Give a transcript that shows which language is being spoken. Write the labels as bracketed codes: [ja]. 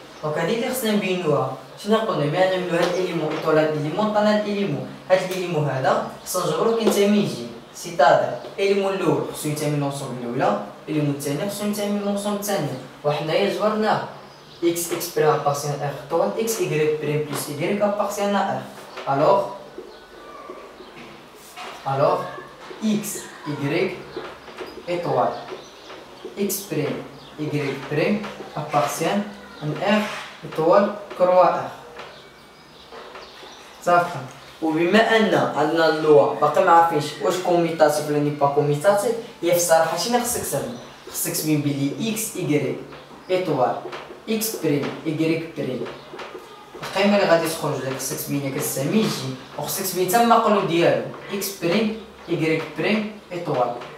[ar] دونك هادي اللي خصنا نبينوها شنو قلنا بان نعملو هاد الايليمو ايطوال هاد الايليمو طال هاد الايليمو هاد الايليمو هادا خصنا نجبرو كينتمي يجي سيتادا الايليمو الاول خصو ينتمي لونسوم الاولى الايليمو الثاني خصو ينتمي لونسوم الثاني وحنايا جبرناه [fr] x x prime appartient à R, donc x y prime plus y appartient à R. Alors x y étoile x prime y prime appartient à R étoile croix R. Ça fait. [ar] وبما ان عندنا اللوا باقي ما عارفينش واش كوميتاتيف ولا ني با كوميتاتيف هي في الصراحه شنو خصك تعمل خصك تبين بلي اكس ايغريك ايطوال x بريم y بريم القيمه اللي غادي تخرج لك خصك تبين لك السامي يجي وخصك تبين تا المقلو ديالو x بريم y بريم ايطوال